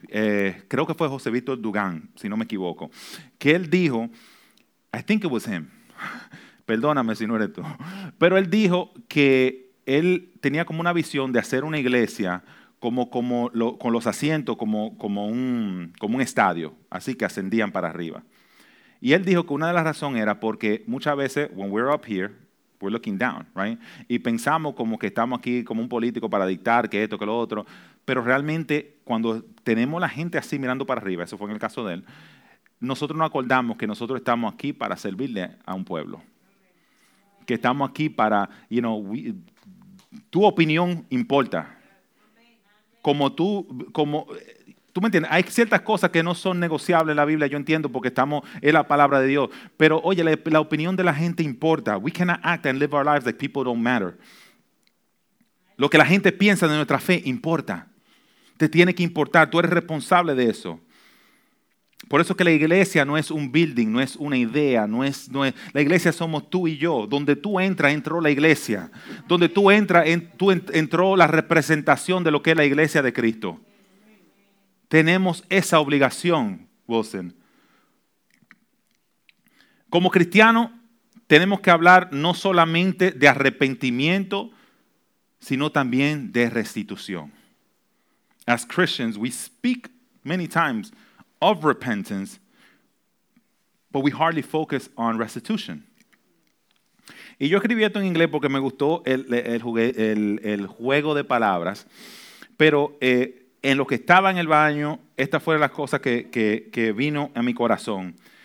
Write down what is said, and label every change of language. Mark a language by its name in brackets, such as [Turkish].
[Spanish] Creo que fue José Víctor Dugán, si no me equivoco. Que él dijo, [English] I think it was him. [Spanish] Perdóname si no eres tú, pero él dijo que él tenía como una visión de hacer una iglesia con los asientos como un estadio, así que ascendían para arriba. Y él dijo que una de las razones era porque muchas veces [English] when we're up here, we're looking down, right? [Spanish] Y pensamos como que estamos aquí como un político para dictar que esto, que lo otro, pero realmente cuando tenemos la gente así mirando para arriba, eso fue en el caso de él, nosotros nos acordamos que nosotros estamos aquí para servirle a un pueblo. Que estamos aquí para, you know, tu opinión importa. Tú me entiendes, hay ciertas cosas que no son negociables en la Biblia, yo entiendo, porque estamos en la palabra de Dios. Pero oye, la opinión de la gente importa. [English] We cannot act and live our lives like people don't matter. [Spanish] Lo que la gente piensa de nuestra fe importa. Te tiene que importar, tú eres responsable de eso. Por eso que la iglesia no es un building, no es una idea, no es la iglesia somos tú y yo. Donde tú entras, entró la iglesia. Donde tú entras, entró la representación de lo que es la iglesia de Cristo. Tenemos esa obligación, Wilson. Como cristiano, tenemos que hablar no solamente de arrepentimiento, sino también de restitución. [English] As Christians, we speak many times of repentance, but we hardly focus on restitution. [Spanish] Y yo escribí esto en inglés porque me gustó el juego de palabras. Pero en lo que estaba en el baño, estas fueron las cosas que vino a mi corazón.